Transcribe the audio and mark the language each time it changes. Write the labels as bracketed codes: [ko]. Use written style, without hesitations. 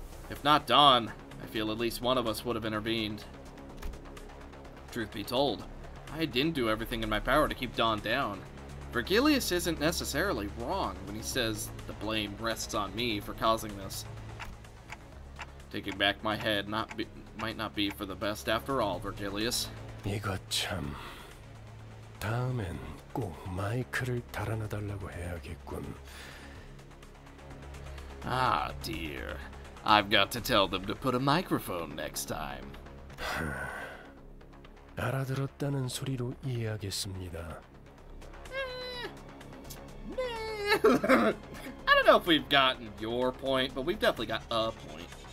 [en] If not Dawn, I feel at least one of us would have intervened. Truth be told, I didn't do everything in my power to keep Dawn down. Virgilius isn't necessarily wrong when he says the blame rests on me for causing this. Taking back my head might not be for the best after all, Virgilius. [ko] 이거 참... 다음엔 꼭 마이크를 달아나달라고 해야겠군. [en] Ah, dear. I've got to tell them to put a microphone next time. [ko] 알아들었다는 소리로 이해하겠습니다. [en] I don't know if we've gotten your point, but we've definitely got a point.